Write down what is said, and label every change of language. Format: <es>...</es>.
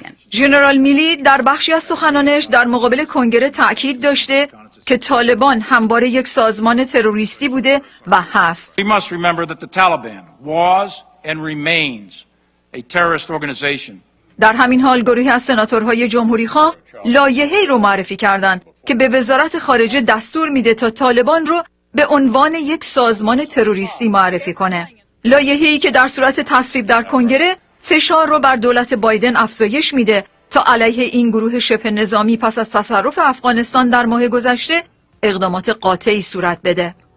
<fa>جنرال میلی در بخشی از سخنانش در مقابل کنگره تأکید داشته که طالبان همواره یک سازمان تروریستی بوده و هست.</fa> <en>We must remember that the Taliban was and remains a terrorist organization.</en> <fa>در همین حال گروهی از سناتورهای جمهوری خواه لایحه‌ای رو معرفی کردند که به وزارت خارجه دستور میده تا طالبان رو به عنوان یک سازمان تروریستی معرفی کنه. لایحه‌ای که در صورت تصویب در کنگره فشار رو بر دولت بایدن افزایش میده تا علیه این گروه شبه نظامی پس از تصرف افغانستان در ماه گذشته اقدامات قاطعی صورت بده.</fa>